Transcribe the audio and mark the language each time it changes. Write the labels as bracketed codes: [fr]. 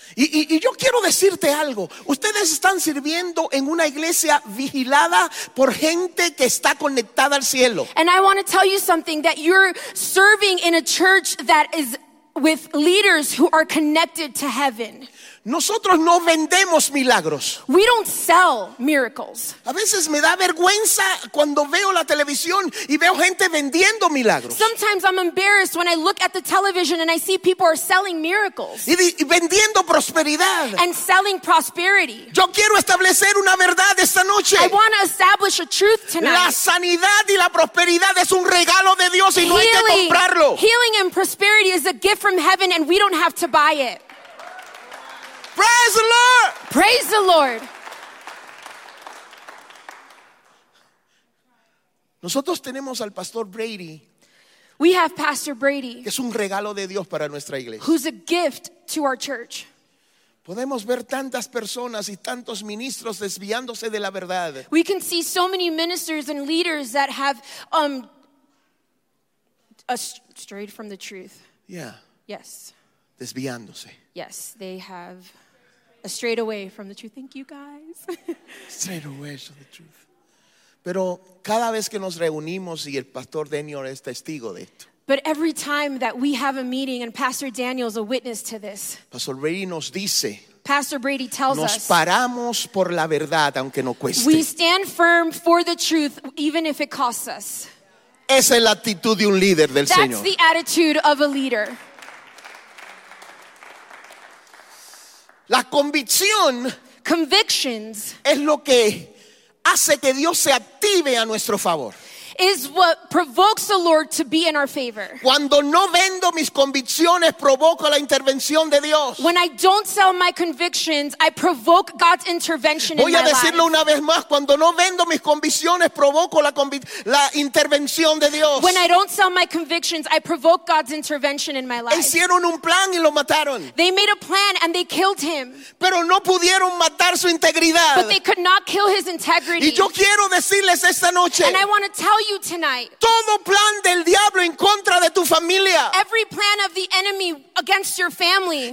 [es] Y yo quiero decirte algo. Ustedes están sirviendo en una iglesia vigilada por gente que está conectada al cielo. [en] And I want to tell you something, that you're serving in a church that is with leaders who are connected to heaven. [es] Nosotros no vendemos milagros. [en] We don't sell miracles. [es] A veces me da vergüenza cuando veo la televisión y veo gente vendiendo milagros. [en] Sometimes I'm embarrassed when I look at the television and I see people are selling miracles. [es] Y vendiendo prosperidad. [en] And selling prosperity. [es] Yo quiero establecer una verdad esta noche. [en] I want to establish a truth tonight. [es] La sanidad y la prosperidad es un regalo de Dios y no hay que comprarlo. [en] Healing and prosperity is a gift from heaven and we don't have to buy it. Praise the Lord. Praise the Lord. [es] Nosotros tenemos al Pastor Brady. [en] We have Pastor Brady. [es] Que es un regalo de Dios para nuestra iglesia. [en] Who's a gift to our church. [es] Podemos ver tantas personas y tantos ministros desviándose de la verdad. [en] We can see so many ministers and leaders that have strayed from the truth. Yeah. Yes. [es] Desviándose. [en] Yes, they have strayed away from the truth. Thank you, guys. Straight away from the truth. [es] Pero cada vez que nos reunimos y el Pastor Daniel es testigo de esto. [en] But every time that we have a meeting and Pastor Daniel is a witness to this. [es] Pastor Brady nos dice. [en] Pastor Brady tells [es] nos [en] us. [es] Nos paramos por la verdad aunque no cueste. [en] We stand firm for the truth even if it costs us. [es] Esa es la actitud de un líder del [en] That's [es] Señor. [en] That's the attitude of a leader. [es] La convicción [en] convictions [es] es lo que hace que Dios se active a nuestro favor. [en] Is what provokes the Lord to be in our favor. [es] Cuando no vendo mis convicciones, provoco la intervención de Dios. [en] When I don't sell my convictions, I provoke God's intervention in my life. Voy a decirlo una vez más. Cuando no vendo mis convicciones, provoco la intervención de Dios. When I don't sell my convictions, I provoke God's intervention in my life. [es] Hicieron un plan y lo mataron. [en] They made a plan and they killed him. [es] Pero no pudieron matar su integridad. [en] But they could not kill his integrity. [es] Y yo quiero decirles esta noche. [en] And I want to tell you tonight. [es] Todo plan del diablo en contra de tu familia. [en] Every plan of the enemy against your family.